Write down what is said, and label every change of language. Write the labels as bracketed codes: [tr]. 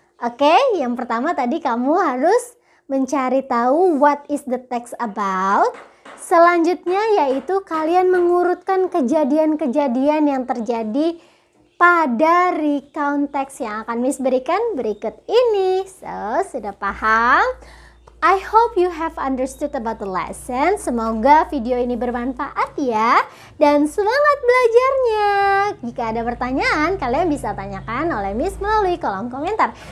[id] Oke, yang pertama tadi kamu harus mencari tahu [en] what is the text about. [id] Selanjutnya yaitu kalian mengurutkan kejadian-kejadian yang terjadi pada recount text yang akan Miss berikan berikut ini. So, sudah paham? [en] I hope you have understood about the lesson. [id] Semoga video ini bermanfaat ya. Dan semangat belajarnya. Jika ada pertanyaan, kalian bisa tanyakan oleh Miss melalui kolom komentar.